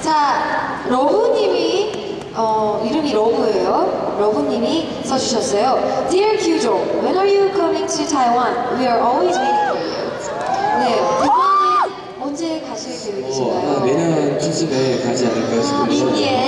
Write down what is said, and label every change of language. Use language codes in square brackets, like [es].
[ko] 자, 러브님이, 이름이 러브예요. 러브님이 써주셨어요. [en] Dear Kyujo, when are you coming to Taiwan? We are always waiting for you. [ko] 네. 이번에 언제 가실 계획이신가요? 내년 추석에 가지 않을까 싶은데.